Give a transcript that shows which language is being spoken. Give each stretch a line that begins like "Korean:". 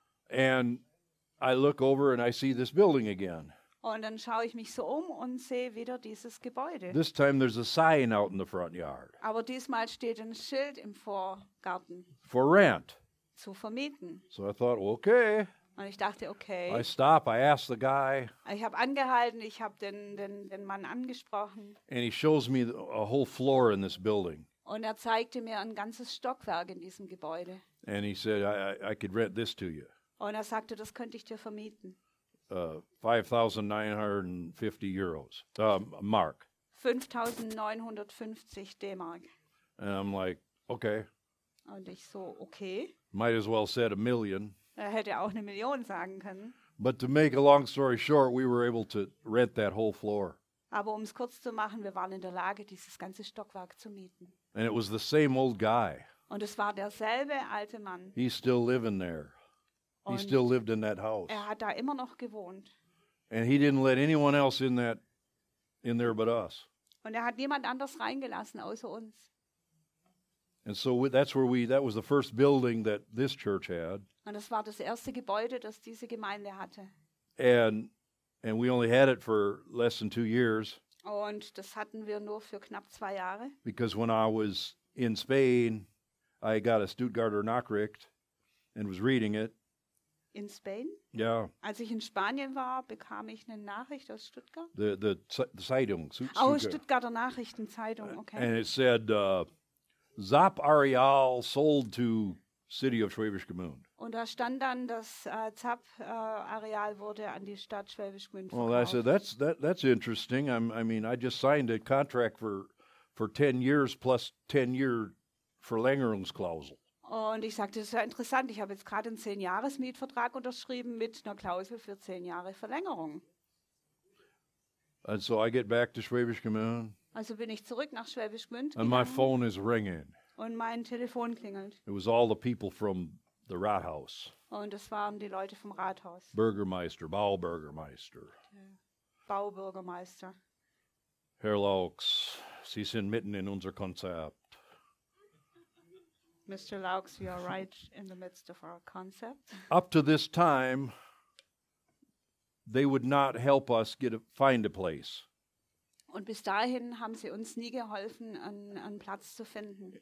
English: And I look over and I see this building again.
German: Und dann schaue ich mich so um und sehe wieder dieses Gebäude.
English: This time there's a sign out in the front yard.
German: Aber diesmal steht ein Schild im Vorgarten.
English: For rent.
German: Zu vermieten.
English: So I thought, well, okay.
German: Und ich dachte, okay.
English: I stop, I ask the guy.
German: Ich habe angehalten, ich habe den Mann angesprochen.
English: And he shows me a whole floor in this building.
German: Und er zeigte mir ein ganzes Stockwerk in diesem Gebäude.
English: And he said, I could rent this to you.
German: Und er sagte, das könnte ich dir vermieten.
English: 5,950 euros. Mark.
German: 5,950 D-Mark.
English: And I'm like, okay.
German: Und ich so, okay.
English: Might as well said a million.
German: Er hätte auch eine Million sagen können.
English: But to make a long story short, we were able to rent that whole floor.
German: Aber um es kurz zu machen, wir waren in der Lage, dieses ganze Stockwerk zu mieten.
English: And it was the same old guy.
German: Und es war derselbe alte Mann.
English: He's still living there. He still lived in that house.
German: Er hat da immer noch gewohnt.
English: And he didn't let anyone else in there but us.
German: Und hat niemand anders reingelassen außer uns.
English: And so that was the first building that this church had.
German: Und das war das erste Gebäude, das diese Gemeinde hatte.
English: And we only had it for less than 2 years.
German: Und das hatten wir nur für knapp 2 Jahre.
English: Because when I was in Spain, I got a Stuttgarter Nachricht and was reading it. In Spain? Yeah.
German: Als ich in Spanien war, bekam ich eine Nachricht aus Stuttgart.
English: The Zeitung.
German: Stuttgarter Nachrichtenzeitung, okay.
English: And it said, Saab Areal sold to City of Schwäbisch Gmünd.
German: Und da stand dann, dass Saab Areal wurde an die Stadt Schwäbisch Gmünd verkauft.
English: Well, I said, that's interesting. I just signed a contract for 10 years plus 10 year Verlängerungsklausel.
German: Und ich sagte, das ist ja interessant, ich habe jetzt gerade einen 10-Jahres-Mietvertrag unterschrieben mit einer Klausel für 10 Jahre Verlängerung.
English: And so I get back to Schwäbisch Gmünd.
German: Also bin ich zurück nach Schwäbisch Gmünd.
English: And my phone is ringing.
German: Und mein Telefon klingelt.
English: It was all the people from the Rathaus.
German: Und das waren die Leute vom Rathaus. Bürgermeister, Baubürgermeister. Baubürgermeister. Herr Laux, Sie sind mitten in unser Konzept.
English: Mr. Laux, you are right in the midst of our concept. Up to this time, they would not help us find a place.
German: Und bis dahin haben sie uns nie geholfen, einen Platz zu finden.